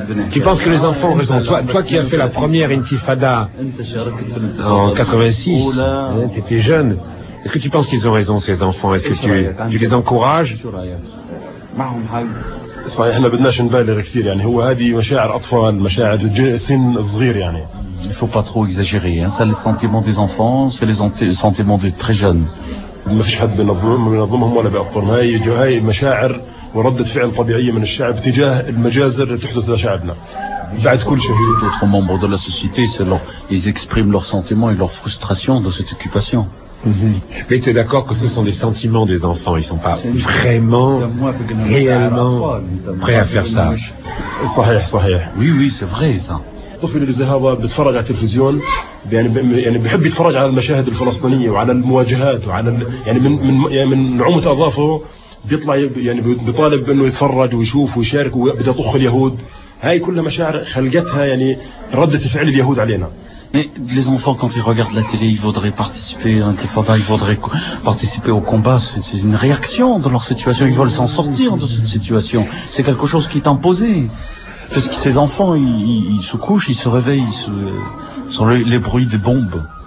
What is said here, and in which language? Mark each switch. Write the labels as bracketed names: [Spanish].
[French] Tu penses que les enfants ont raison? Toi qui as fait la première intifada en 86, hein, tu étais jeune. Est-ce que tu penses qu'ils ont raison, ces enfants? Est-ce que tu les encourages? [Arabic] صحيح احنا بدناش نبالغ كثير يعني هو هذه مشاعر اطفال مشاعر سن صغير يعني [French] il faut pas trop exagérer hein c'est les sentiments des enfants c'est les sentiments des très jeunes [Arabic] ما فيش حد بينظمهم ولا بيأطفالهم هاي مشاعر وردة فعل طبيعية من الشعب تجاه المجازر اللي تحدث لشعبنا بعد كل شهيد [French] d'autres membres de la société c'est leur ils expriment leurs sentiments et leur frustration de cette occupation. Mm-hmm. Mais tu es d'accord que ce sont des sentiments des enfants, ils ne sont pas vraiment, réellement prêts à faire ça. Oui, c'est vrai ça. [Arabic] طفل اللي زي هذا بتفرج على التلفزيون يعني بحب يتفرج على المشاهد الفلسطينية وعلى المواجهات وعلى يعني من من نعومة أظافره بيطلع يعني بيطالب بأنه يتفرج ويشوف ويشارك وبدأ يطخ اليهود هاي كلها مشاعر خلقتها يعني ردة فعل اليهود علينا. [French] Mais les enfants, quand ils regardent la télé, ils voudraient participer à l'intifada, ils voudraient participer au combat. C'est une réaction dans leur situation. Ils veulent s'en sortir de cette situation. C'est quelque chose qui est imposé. Parce que ces enfants, ils se couchent, ils se réveillent, sur les bruits des bombes.